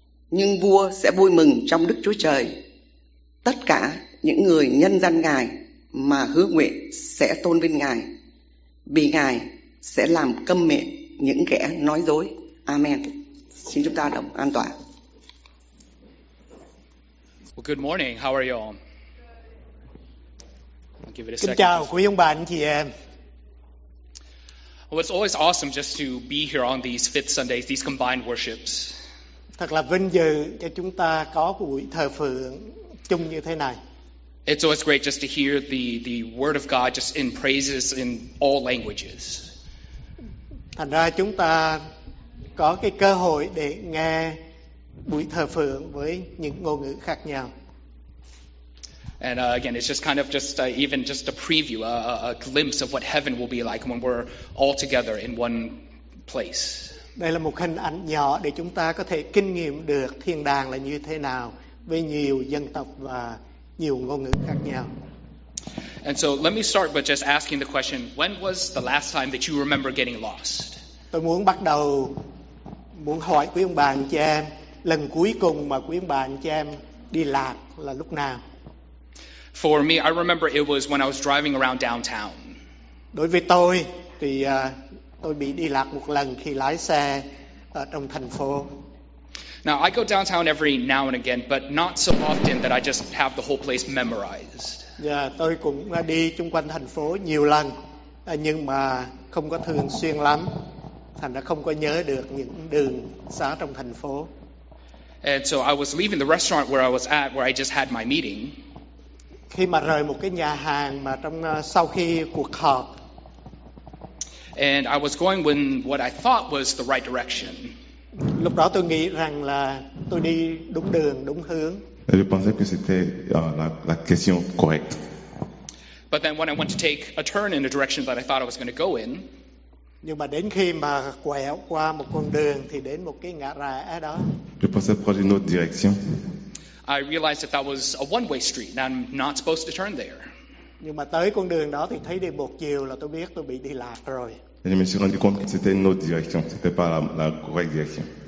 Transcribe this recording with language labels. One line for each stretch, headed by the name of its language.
Vietnamese: Nhưng vua sẽ vui mừng trong Đức Chúa Trời. Tất cả những người nhân danh Ngài mà hứa nguyện sẽ tôn vinh Ngài, vì Ngài sẽ làm câm miệng những kẻ nói dối. Amen. Xin chúng ta đồng an tọa.
English: Well, good morning. How are you all?
Vietnamese: Kính chào quý ông bà anh chị em.
English: Well, it's always awesome just to be here on these fifth Sundays, these combined worships.
Vietnamese: Thật là vinh dự cho chúng ta có buổi thờ phượng chung như thế này.
English: It's always great just to hear the word of God just in praises in all languages.
Vietnamese: Thành ra chúng ta có cái cơ hội để nghe buổi thờ phượng với những ngôn ngữ khác nhau.
English: And again, it's just kind of just even just a preview, a glimpse of what heaven will be like when we're all together in one place.
Vietnamese: Đây là một hình ảnh nhỏ để chúng ta có thể kinh nghiệm được thiên đàng là như thế nào với nhiều dân tộc và nhiều ngôn ngữ khác nhau.
English: And so let me start by just asking the question, when was the last time that you remember getting lost?
Vietnamese: Tôi muốn bắt đầu, muốn hỏi quý ông bà anh chị em, lần cuối cùng mà quý ông bà anh chị em đi lạc là lúc nào?
English: For me, I remember it was when I was driving around downtown.
Vietnamese: Đối với tôi thì tôi bị đi lạc một lần khi lái xe ở trong thành phố.
English: Now, I go downtown every now and again, but not so often that I just have the whole place memorized.
Vietnamese: Yeah, tôi cũng đi chung quanh thành phố nhiều lần, nhưng mà không có thường xuyên lắm, thành ra không có nhớ được những đường xá trong thành phố.
English: And so I was leaving the restaurant where I was at, where I just had my meeting.
Vietnamese: Khi mà rời một cái nhà hàng mà trong sau khi cuộc họp.
English: And I was going in what I thought was the right direction.
Vietnamese: Lúc đó tôi nghĩ rằng là tôi đi đúng đường, đúng hướng.
French: Je pensais que c'était la question correcte.
English: But then when I went to take a turn in a direction that I thought I was going to go in.
Vietnamese: Nhưng mà đến khi mà quẹo qua một con đường thì đến một cái ngã rẽ đó.
French: Je pensais prendre une autre direction.
English: I realized that that was a one-way street and I'm not supposed to turn there.
Vietnamese: Nhưng mà tới con đường đó thì thấy đi một chiều là tôi biết tôi bị đi lạc rồi.
French: Et je me suis rendu compte que c'était une autre direction, c'était pas la correcte direction.